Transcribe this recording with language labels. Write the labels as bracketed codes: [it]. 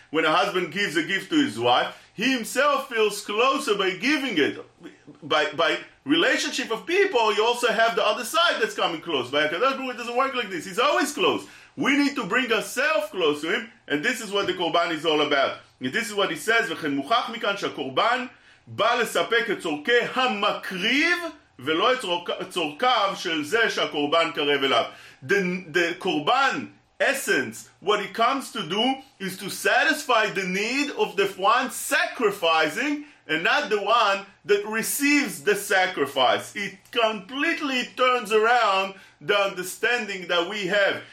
[en] When a husband gives a gift to his wife, he himself feels closer by giving it. By relationship of people, you also have the other side that's coming close. By HaKadosh Baruch Hu, it doesn't work like this. He's always close. We need to bring ourselves close to him, and this is what the Korban is all about. And this is what he says, [he] וכן מוכח מכאן שהקורבן בא לספק את צורכי המקריב ולא את צורכיו של זה שהקורבן קרב אליו. [en] The Korban essence, what it comes to do is to satisfy the need of the one sacrificing and not the one that receives the sacrifice. It completely turns around the understanding that we have.